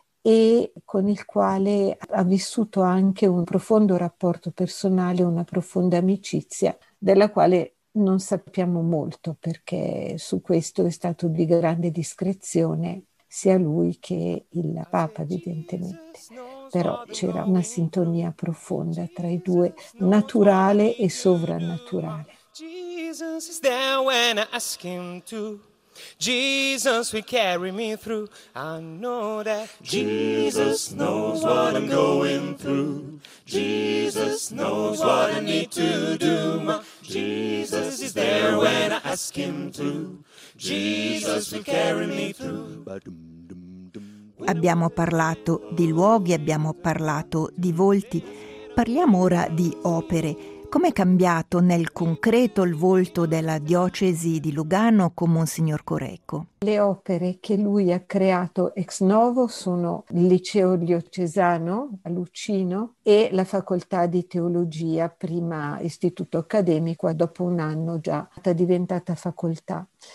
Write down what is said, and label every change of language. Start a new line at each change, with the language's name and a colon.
Italian: e con il quale ha vissuto anche un profondo rapporto personale, una profonda amicizia, della quale non sappiamo molto perché su questo è stato di grande discrezione sia lui che il Papa, evidentemente. Però c'era una sintonia profonda tra i due, naturale e sovrannaturale.
English: Jesus is there when I ask him to. Jesus will carry me through. I know that Jesus knows what I'm going through. Jesus knows what I need to do. Jesus is there when I ask him to. Jesus will carry me through.
Italian: Abbiamo parlato di luoghi, abbiamo parlato di volti. Parliamo ora di opere. Com'è cambiato nel concreto il volto della diocesi di Lugano con Monsignor Corecco? Le opere che lui ha creato ex novo sono il liceo diocesano a Lucino e la facoltà di teologia, prima istituto accademico, dopo un anno già diventata facoltà.